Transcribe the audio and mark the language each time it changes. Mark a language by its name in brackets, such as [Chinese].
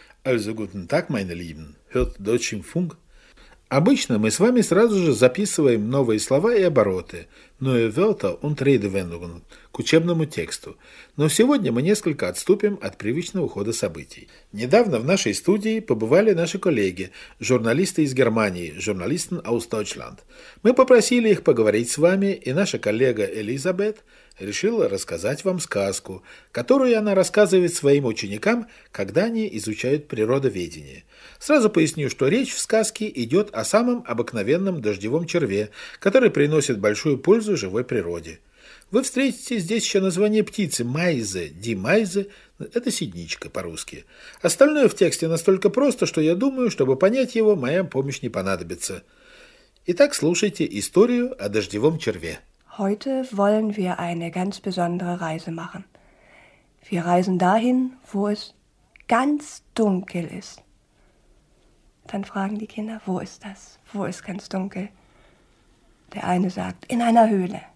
[German] Also guten Tag, meine Lieben, hört Deutschen Funk. [Russian] Обычно мы с вами сразу же записываем новые слова и обороты, новые вёрта [German] und Redewendungen [Russian] к учебному тексту. Но сегодня мы несколько отступим от привычного хода событий. Недавно в нашей студии побывали наши коллеги, журналисты из Германии, [German] Journalisten aus Deutschland. [Russian] Мы попросили их поговорить с вами, и наша коллега Элизабет решила рассказать вам сказку, которую она рассказывает своим ученикам, когда они изучают природоведение. Сразу поясню, что речь в сказке идет о самом обыкновенном дождевом черве, который приносит большую пользу живой природе. Вы встретите здесь еще название птицы «Майзе», «Ди Майзе», это «Сидничка» по-русски. Остальное в тексте настолько просто, что я думаю, чтобы понять его, моя помощь не понадобится. Итак, слушайте историю о дождевом черве. [German] Heute wollen wir eine ganz besondere Reise machen. Wir reisen dahin, wo es ganz dunkel ist. Dann fragen die Kinder, wo ist das? Wo ist ganz dunkel? Der eine sagt, in einer Höhle.